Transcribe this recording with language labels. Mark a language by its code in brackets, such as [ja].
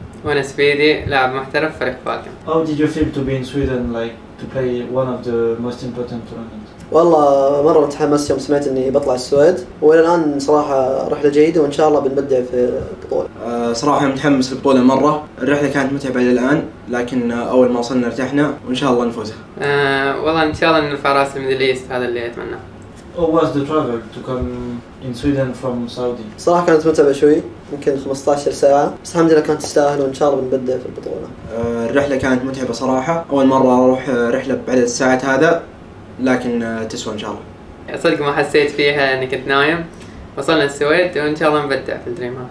[ar] وانا سبيدي لاعب محترف فريق فالكن. [en] How did you feel to be in Sweden like to play one of the most important tournaments؟ [ar] والله مرة متحمس يوم سمعت اني بطلع السويد وإلى الآن صراحة رحلة جيدة وإن شاء الله بنبدع في البطولة. صراحة متحمس للبطولة مرة، الرحلة كانت متعبة إلى الآن لكن أول ما وصلنا ارتحنا وإن شاء الله نفوز. والله إن شاء الله نرفع راس الميدل إيست، هذا اللي أتمنى. [en] How was the travel to come in Sweden from Saudi؟ [ar] صراحة كانت متعبة شوي، يمكن 15 ساعة، بس الحمد لله كانت تستاهل وإن شاء الله بنبدع في البطولة. الرحلة كانت متعبة صراحة، أول مرة أروح رحلة بعدد الساعات هذا، لكن تسوى إن شاء الله. صدق ما حسيت فيها إني كنت نايم، وصلنا السويد وإن شاء الله نبدع في الدريم.